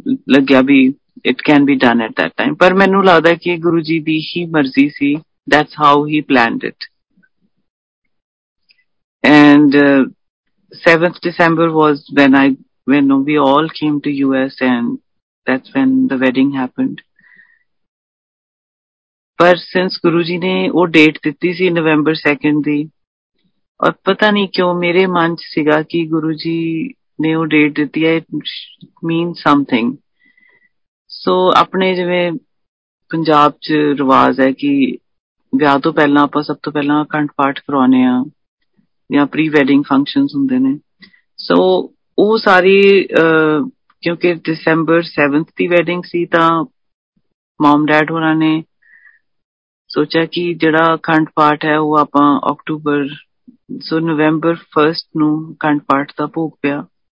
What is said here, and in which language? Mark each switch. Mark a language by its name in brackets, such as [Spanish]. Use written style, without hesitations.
[Punjabi] ਲੱਗਿਆ ਵੀ [English] it can be done at that time, [Punjabi] ਪਰ ਮੈਨੂੰ ਲੱਗਦਾ ਕਿ ਗੁਰੂ ਜੀ ਦੀ ਹੀ ਮਰਜ਼ੀ ਸੀ, [English] That's how he planned it. And 7th December was when we all came to US and that's when the wedding happened. [Punjabi] ਪਰ since Guru ji ਨੇ ਉਹ date ਦਿੱਤੀ ਸੀ ਨਵੰਬਰ 2nd ਦੀ, ਔਰ ਪਤਾ ਨੀ ਕਿਉਂ ਮੇਰੇ ਮਨ ਚ ਸੀਗਾ ਕਿ ਗੁਰੂ ਜੀ ਨੇ ਉਹ ਡੇਟ ਦਿੱਤੀ ਹੈ, [English] It mean something. [Punjabi] ਸੋ ਆਪਣੇ ਜਿਵੇਂ ਪੰਜਾਬ ਚ ਰਿਵਾਜ ਹੈ ਕਿ ਵਿਆਹ ਤੋਂ ਪਹਿਲਾਂ ਆਪਾਂ ਸਭ ਤੋਂ ਪਹਿਲਾਂ ਅਖੰਡ ਪਾਠ ਕਰਾਉਂਦੇ ਹਾਂ ਜਾਂ ਪ੍ਰੀ ਵੈਡਿੰਗ ਫੰਕਸ਼ਨ ਹੁੰਦੇ ਨੇ, ਸੋ ਉਹ ਸਾਰੀ ਕਿਉਂਕਿ ਡਿਸੰਬਰ 7th ਦੀ ਵੈਡਿੰਗ ਸੀ ਤਾਂ ਮੋਮ ਡੈਡ ਹੋਰਾਂ ਨੇ ਸੋਚਿਆ ਕਿ ਜਿਹੜਾ ਅਖੰਡ ਪਾਠ ਹੈ ਉਹ ਆਪਾਂ ਅਕਟੂਬਰ, ਸੋ ਨਵੰਬਰ 1st ਨੂੰ ਅਖੰਡ ਪਾਠ ਦਾ ਭੋਗ ਪਿਆ।